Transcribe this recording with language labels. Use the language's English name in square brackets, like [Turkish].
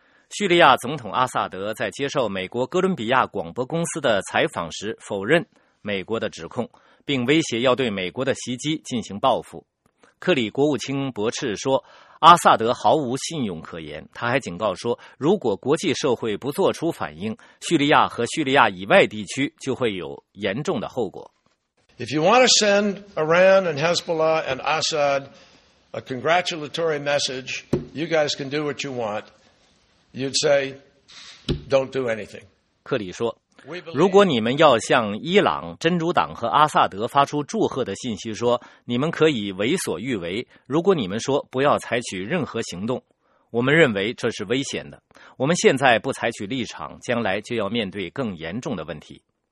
[Chinese] 叙利亚总统阿萨德在接受美国哥伦比亚广播公司的采访时否认美国的指控，并威胁要对美国的袭击进行报复。克里国务卿驳斥说，阿萨德毫无信用可言。他还警告说，如果国际社会不做出反应，叙利亚和叙利亚以外地区就会有严重的后果。 [English] If you want to send Iran and Hezbollah and Assad a congratulatory message, you guys can do what you want. You'd say, "Don't do anything." [Chinese] 克里说，如果你们要向伊朗、真主党和阿萨德发出祝贺的信息说，你们可以为所欲为。如果你们说不要采取任何行动，我们认为这是危险的。我们现在不采取立场，将来就要面对更严重的问题。